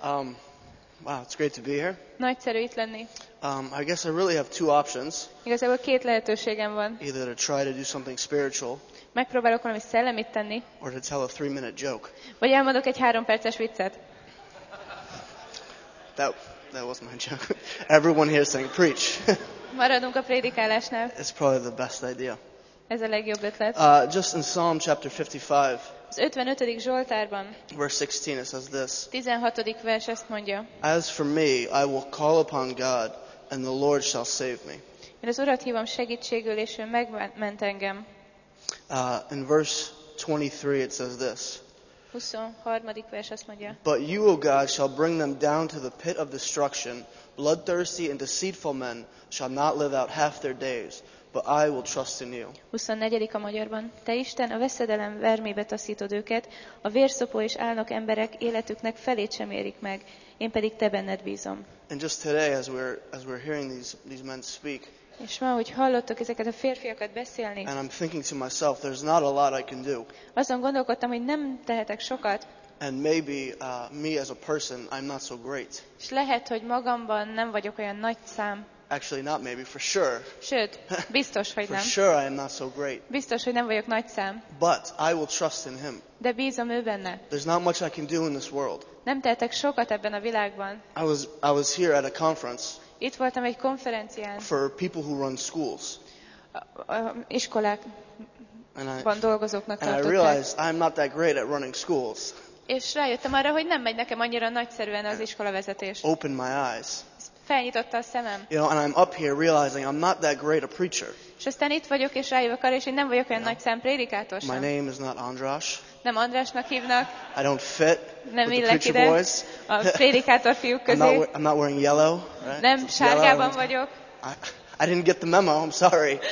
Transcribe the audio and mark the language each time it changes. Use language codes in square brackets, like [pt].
[en] Wow, it's great to be here. [hu] Nagyszerű itt lenni. [en] I guess I really have two options. [hu] Igazából két lehetőségem van. [en] Either to try to do something spiritual. [hu] Megpróbálok valami szellemit tenni. [en] Or to tell a 3-minute joke. [hu] Vagy elmondok egy 3 perces viccet. [en] That was my joke. Everyone here saying preach. [hu] Maradunk a prédikálásnál. [en] It's probably the best idea. [hu] Ez a legjobb ötlet. [en] Just in Psalm chapter 55. [hu] Az 55. Zsoltárban. [en] Verse 16 it says this. [hu] 16. vers ezt mondja. [en] As for me, I will call upon God and the Lord shall save me. Én az Urat hívom segítségül és ő megment engem. In verse 23 it says this. 23. vers azt mondja. But you, O God, shall bring them down to the pit of destruction. Bloodthirsty and deceitful men shall not live out half their days, but I will trust in you. [hu] 24. a magyarban. Te Isten a veszedelem vermébe taszítod őket, a vérszopó és álnok emberek életüknek felét sem érik meg, én pedig te benned bízom. [en] And just today as we're hearing these men speak. [hu] És ma, hogy hallottok ezeket a férfiakat beszélni. [en] And I'm thinking to myself, there's not a lot I can do. [hu] Azon gondolkodtam, hogy nem tehetek sokat. [en] And maybe me as a person, I'm not so great. [hu] És lehet, hogy magamban nem vagyok olyan nagy szám. [en] Actually, not maybe, for sure. [hu] Sőt, biztos, hogy [en] for [hu] nem. [en] For sure, I am not so great. [hu] Biztos, hogy nem vagyok nagy szám. [en] But I will trust in Him. [hu] De bízom ő benne. [en] There's not much I can do in this world. [hu] Nem tehetek sokat ebben a világban. [en] I was here at a conference. [hu] Itt voltam egy konferencián. [en] For people who run schools. [hu] Iskolákban dolgozóknak tartották. [en] And I realized I'm not that great at running schools. [hu] És rájöttem arra, hogy nem megy nekem annyira nagyszerűen az iskola vezetés. [en] Open my eyes. [hu] Felnyitotta a szemem. [en] You know, and I'm up here realizing I'm not that great a preacher. [hu] És aztán itt vagyok, és rájövök arra, és én nem vagyok olyan nagy szám prédikátor sem. [en] My name is not András. [hu] Nem Andrásnak hívnak. [en] I don't fit. [hu] Nem illek ide. A prédikátor fiúk közé. [en] I'm not wearing yellow. Right? [hu] Nem sárgában vagyok. [en] I didn't get the memo. I'm sorry.